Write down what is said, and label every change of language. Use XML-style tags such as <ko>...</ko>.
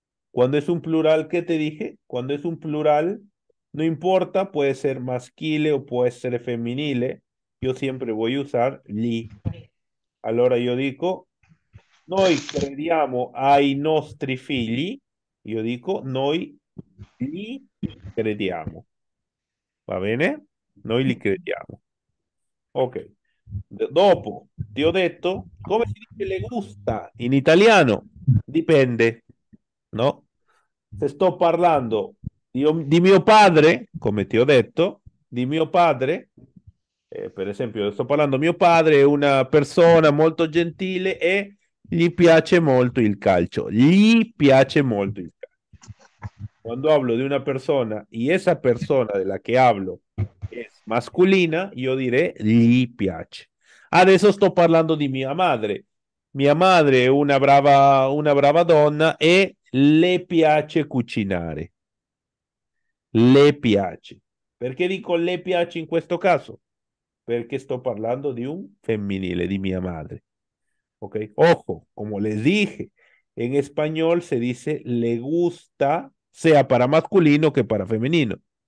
<es>Cuando es un plural, ¿qué te dije? Cuando es un plural, no importa, puede ser masculino o puede ser femenino, yo siempre voy a usar li.</es> <it>Allora</it> <es>yo digo,</es> <it>noi crediamo ai nostri figli, yo digo, noi li crediamo. ¿Va bene? Noi li crediamo. Ok. Dopo, te ho detto,</it> <es>¿cómo se dice le gusta en italiano? Depende. No, se estoy hablando de mi padre, como te he dicho, de mi padre, por ejemplo, estoy hablando de mi padre, una persona muy gentile y</es> <it>gli piace molto il calcio. Gli piace molto il calcio.</it> <es>Cuando hablo de una persona y esa persona de la que hablo es masculina, yo diré gli piace. Adesso estoy hablando de mi madre. Mi madre es una brava donna y</es> <it>le piace cucinare. Le piace. Perché dico le piace in questo caso? Perché sto parlando di un femminile, di mia madre.</it> <es>Ok? Ojo, come les dije,</es> <it>in spagnolo si dice</it> <es>le gusta, sia para masculino che para femminino.</es>